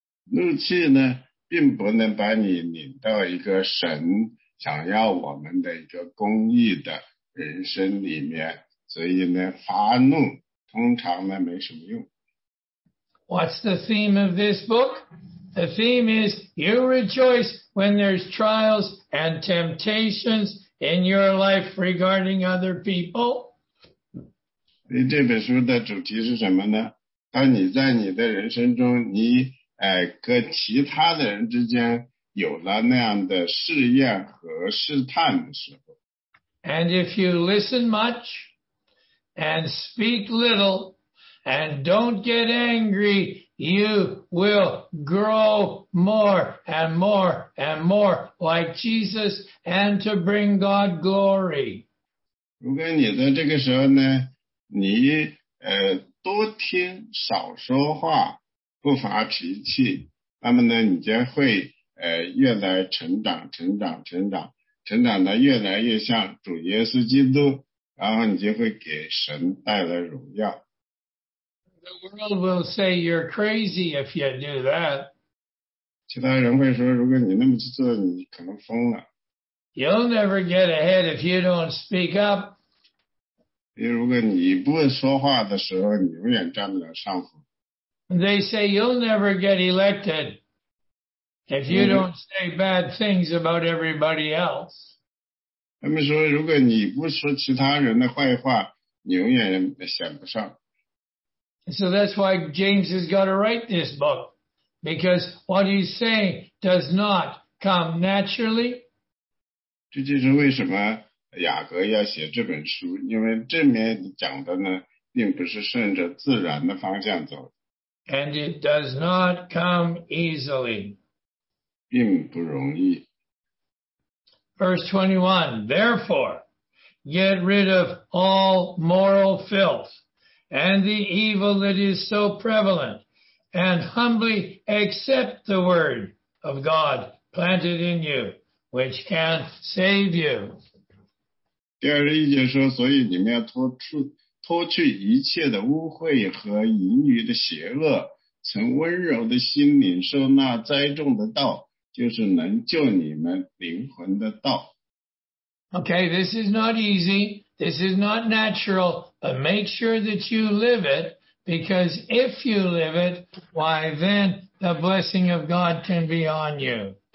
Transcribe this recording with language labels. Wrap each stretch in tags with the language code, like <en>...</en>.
<zh>怒气呢，并不能把你领到一个神想要我们的一个公义的人生里面，所以呢，发怒通常呢没什么用。</zh> <en>What's the theme of this book? The theme is you rejoice when there's trials and temptations in your life regarding other people.</en> <zh>这本书的主题是什么呢？当你在你的人生中，你和其他的人之间有了那样的试验和试探的时候。</zh> <en>And if you listen much and speak little and don't get angry, you will grow more and more and more like Jesus and to bring God glory.</en> <zh>如果你在这个时候呢，你多听少说话，不发脾气，那么呢，你将会越来成长成长成长成长的越来越像主耶稣基督，然后你就会给神带来荣耀。</zh> <en>The world will say you're crazy if you do that.</en> <zh>其他人会说，如果你那么去做，你可能疯了。</zh> <en>You'll never get ahead if you don't speak up.</en> <zh>如果你不说话的时候，你永远站不了上风。</zh> <en>They say you'll never get elected if you don't say bad things about everybody else.</en> <zh>他们说，如果你不说其他人的坏话，你永远选不上。</zh> <en>So that's why James has got to write this book, because what he's saying does not come naturally.</en> <zh>这就是为什么雅各要写这本书，因为这面讲的呢，并不是顺着自然的方向走。</zh> <en>And it does not come easily.</en> <zh>并不容易。</zh> <en>Verse 21, therefore, get rid of all moral filth and the evil that is so prevalent, and humbly accept the word of God planted in you, which can save you.</en> <zh>第二十一节说，所以你们要脱去一切的污秽和淫欲的邪恶，从温柔的心领受那栽种的道，就是能救你们灵魂的道。</zh> <en>Okay, this is not easy. This is not natural. But make sure that you live it, because if you live it, why then the blessing of God can be on you.</en>